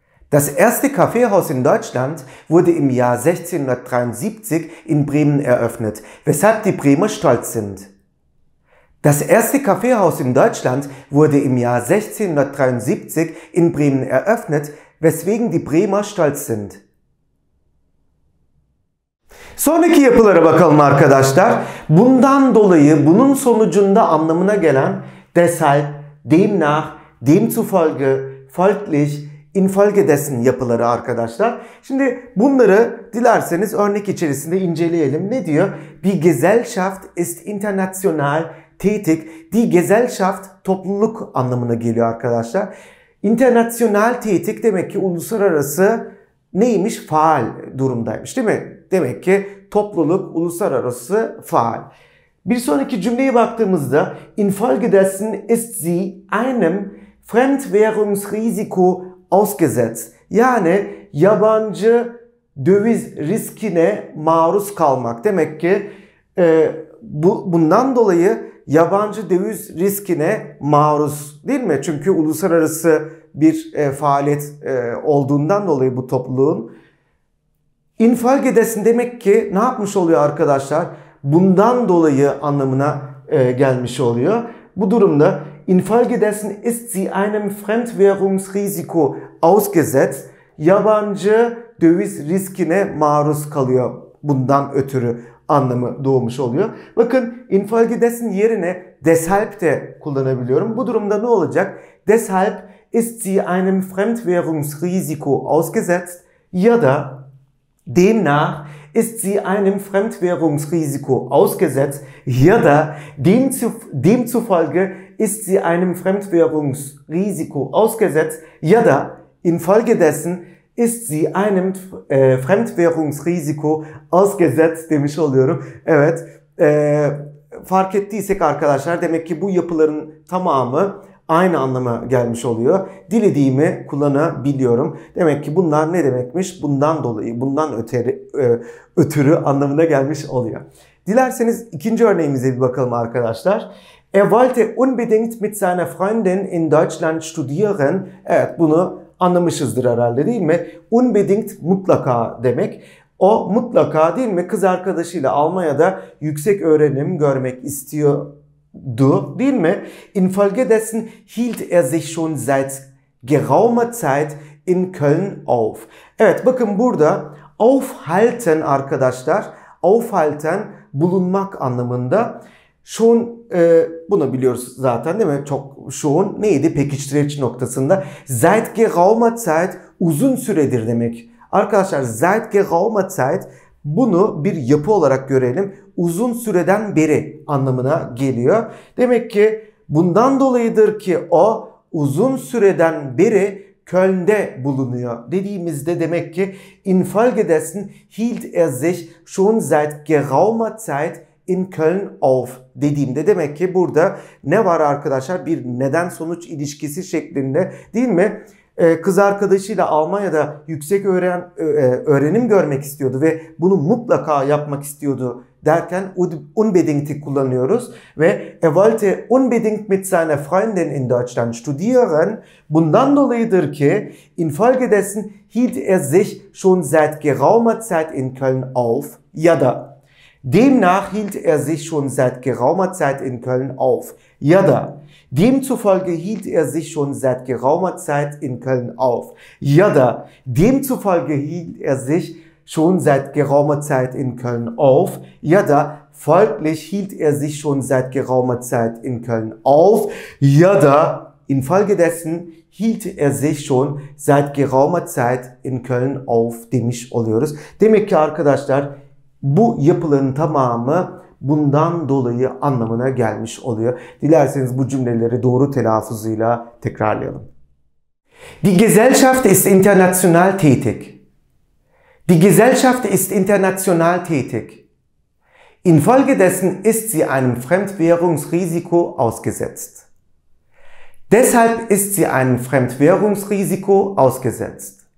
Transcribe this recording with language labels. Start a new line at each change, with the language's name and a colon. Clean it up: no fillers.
German: Das erste Kaffeehaus in Deutschland wurde im Jahr 1673 in Bremen eröffnet, weshalb die Bremer stolz sind. Das erste Kaffeehaus in Deutschland wurde im Jahr 1673 in Bremen eröffnet, weswegen die Bremer stolz sind.
Turkish: Sonraki yapılara bakalım arkadaşlar. Bundan dolayı bunun sonucunda anlamına gelen
German: deshalb, demnach, demzufolge, folglich, infolgedessen
Turkish: yapıları arkadaşlar. Şimdi bunları dilerseniz örnek içerisinde inceleyelim. Ne diyor?
German: Die Gesellschaft ist international tätig. Die Gesellschaft
Turkish: topluluk anlamına geliyor arkadaşlar.
German: International tätig
Turkish: demek ki uluslararası neymiş? Faal durumdaymış değil mi? Demek ki topluluk uluslararası faal. Bir sonraki cümleye baktığımızda
German: infolgedessen ist sie einem Fremdwährungsrisiko ausgesetzt.
Turkish: Yani yabancı döviz riskine maruz kalmak. Demek ki bundan dolayı yabancı döviz riskine maruz değil mi? Çünkü uluslararası bir faaliyet olduğundan dolayı bu topluluğun. Infolgedessen demek ki ne yapmış oluyor arkadaşlar? Bundan dolayı anlamına gelmiş oluyor. Bu durumda
German: infolgedessen ist sie einem Fremdwährungsrisiko ausgesetzt.
Turkish: Yabancı döviz riskine maruz kalıyor. Bundan ötürü anlamı doğmuş oluyor. Bakın infolgedessen yerine deshalb de kullanabiliyorum. Bu durumda ne olacak?
German: Deshalb ist sie einem Fremdwährungsrisiko ausgesetzt.
Turkish: Ya da
German: demnach ist sie einem Fremdwährungsrisiko ausgesetzt.
Turkish: Ja da,
German: demzufolge ist sie einem Fremdwährungsrisiko ausgesetzt.
Turkish: Ja da,
German: infolgedessen ist sie einem Fremdwährungsrisiko ausgesetzt
Turkish: demiş oluyorum. Evet, fark ettiysek arkadaşlar demek ki bu yapıların tamamı aynı anlama gelmiş oluyor. Dilediğimi kullanabiliyorum. Demek ki bunlar ne demekmiş? Bundan dolayı, bundan ötürü anlamına gelmiş oluyor. Dilerseniz ikinci örneğimize bir bakalım arkadaşlar.
German: Er wollte unbedingt mit seiner Freundin in Deutschland studieren.
Turkish: Evet, bunu anlamışızdır herhalde değil mi? Unbedingt mutlaka demek. O mutlaka değil mi? Kız arkadaşıyla Almanya'da yüksek öğrenim görmek istiyor. Du, değil mi?
German: Infolgedessen hielt er sich schon seit geraumer Zeit in Köln auf.
Turkish: Evet, bakın burada aufhalten arkadaşlar, aufhalten bulunmak anlamında. Schon, bunu biliyoruz zaten değil mi? Çok schon neydi? Pekiştireç noktasında.
German: Seit geraumer Zeit
Turkish: uzun süredir demek. Arkadaşlar
German: seit geraumer Zeit
Turkish: bunu bir yapı olarak görelim. Uzun süreden beri anlamına geliyor. Demek ki bundan dolayıdır ki o uzun süreden beri Köln'de bulunuyor. Dediğimizde demek ki
German: infolgedessen hielt er sich schon seit geraumer Zeit in Köln auf.
Turkish: Dediğimde demek ki burada ne var arkadaşlar? Bir neden sonuç ilişkisi şeklinde değil mi? Kız arkadaşıyla Almanya'da yüksek öğrenim görmek istiyordu ve bunu mutlaka yapmak istiyordu. Derken unbedingt'i kullanıyoruz ve
German: er wollte unbedingt mit seiner Freundin in Deutschland studieren.
Turkish: Bundan dolayıdır ki
German: infolgedessen hielt er sich schon seit geraumer Zeit in Köln auf.
Turkish: Ya da
German: demnach hielt er sich schon seit geraumer Zeit in Köln auf.
Turkish: Ya da
German: demzufolge hielt er sich schon seit geraumer Zeit in Köln auf.
Turkish: Ya da
German: demzufolge hielt er sich schon seit geraumer Zeit in Köln auf.
Turkish: Ja da,
German: folglich hielt er sich schon seit geraumer Zeit in Köln auf.
Turkish: Ja da,
German: infolgedessen hielt er sich schon seit geraumer Zeit in Köln auf
Turkish: demiş oluyoruz. Demek ki arkadaşlar bu yapıların tamamı bundan dolayı anlamına gelmiş oluyor. Dilerseniz bu cümleleri doğru telaffuzuyla tekrarlayalım.
German: Die Gesellschaft ist international tätig. Die Gesellschaft ist international tätig. Infolgedessen ist sie einem Fremdwährungsrisiko ausgesetzt. Deshalb ist sie einem Fremdwährungsrisiko ausgesetzt.